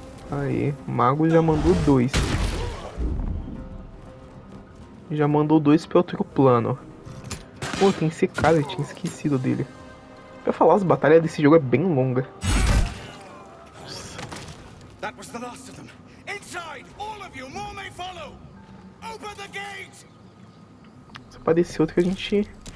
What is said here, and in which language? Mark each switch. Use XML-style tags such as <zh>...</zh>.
<pt>Aí, mago já mandou dois. Já mandou dois pro outro plano. Pô, tem esse cara, eu tinha esquecido dele. Pra falar, as batalhas desse jogo é bem longa.</pt> <en>That was the last of them. Inside, all of you, more may follow. Open the gate.</en> <pt>Só pra descer outro que a gente.</pt>